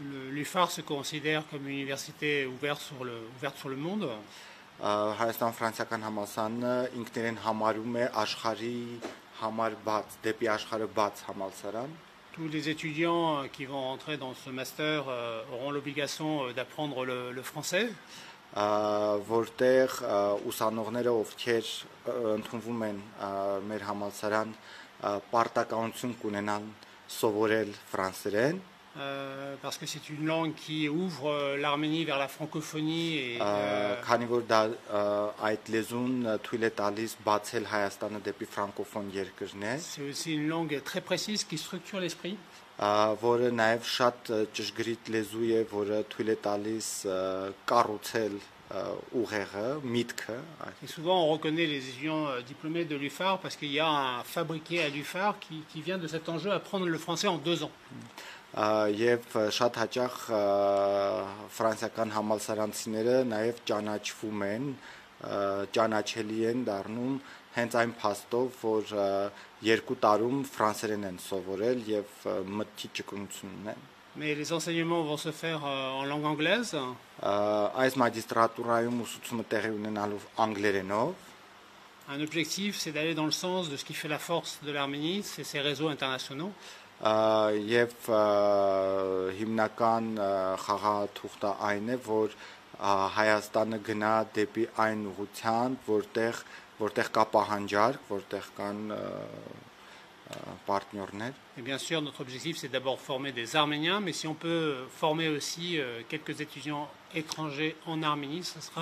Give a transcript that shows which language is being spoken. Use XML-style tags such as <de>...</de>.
<fr>L'UFAR se considère comme une université ouverte sur le monde. Tous les étudiants qui vont rentrer dans ce master auront l'obligation d'apprendre le français.</fr> <hy>Որտեղ ուսանողները, ովքեր ընդունվում են մեր համալսարան, պարտականություն կունենան սովորել ֆրանսերեն,</hy> <fr>parce que c'est une langue qui ouvre l'Arménie vers la francophonie et</fr> <hy>քանի որ դա այդ լեզուն թույլ է տալիս բացել Հայաստանը դեպի ֆրանկոֆոն երկրներ,</hy> <fr>c'est aussi une langue très précise qui structure l'esprit,</fr> <hy>որը նաև շատ ճշգրիտ լեզու է, որը թույլ է տալիս կառուցել ուղեղը, միտքը։</hy> <fr>Et souvent on reconnaît les étudiants diplômés de l'UFAR parce qu'il y a un fabriqué à l'UFAR qui vient de cet enjeu apprendre le français en 2 ans.</fr> <hy>Եվ շատ հաճախ ֆրանսական համալսարանցիները նաև ճանաչվում են, ճանաչելի են դառնում հենց այն փաստով, որ 2 տարում ֆրանսերեն են սովորել եւ մտքի ճկունություն ունեն։ Այս մագիստրատուրայում ուսուցումը տեղի ունենալու անգլերենով։</hy> <fr>Un objectif, c'est d'aller dans le sens de ce qui fait la force de l'Arménie, c'est ses réseaux internationaux.</fr> <hy>Եվ հիմնական խաղաթուղթը այն է, որ Հայաստանը գնա դեպի այն ուղղությամբ, որտեղ կա պահանջարկ, որտեղ կան</hy> <fr>partenaires. Et bien sûr, notre objectif, c'est d'abord former des Arméniens, mais si on peut former aussi quelques étudiants étrangers en Arménie, ce sera...</fr>